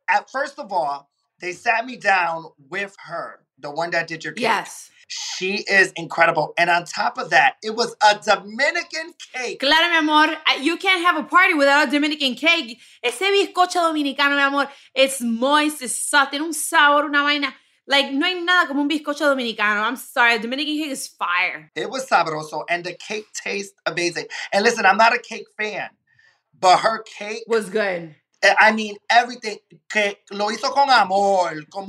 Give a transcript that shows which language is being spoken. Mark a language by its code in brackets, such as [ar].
[en] First of all, they sat me down with her, the one that did your cake. Yes. She is incredible. And on top of that, it was a Dominican cake. [es] Claro, mi amor. [en] You can't have a party without a Dominican cake. [es] Ese bizcocho dominicano, mi amor, [en] it's moist, it's soft, [es] tiene un sabor, una vaina. Like, no hay nada como un bizcocho dominicano. [en] I'm sorry. A Dominican cake is fire. It was sabroso. And the cake tastes amazing. And listen, I'm not a cake fan, but her cake was good. I mean, everything, [es] que lo hizo con amor, con mucho,